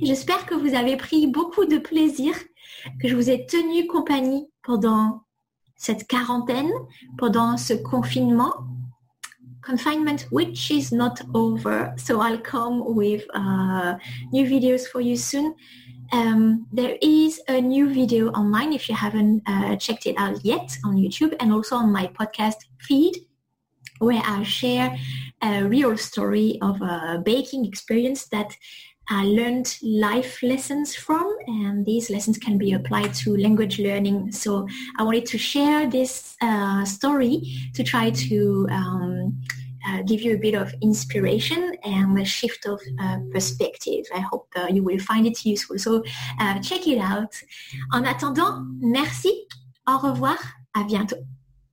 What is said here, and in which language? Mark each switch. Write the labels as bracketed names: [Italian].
[French] J'espère que vous avez pris beaucoup de plaisir, que je vous ai tenu compagnie pendant cette quarantaine, pendant ce confinement. [English] Confinement, which is not over, so I'll come with new videos for you soon. There is a new video online if you haven't checked it out yet on YouTube, and also on my podcast feed, where I share a real story of a baking experience that I learned life lessons from, and these lessons can be applied to language learning. So I wanted to share this story to try to give you a bit of inspiration and a shift of perspective. I hope you will find it useful. So check it out. [French] En attendant, merci. Au revoir. À bientôt.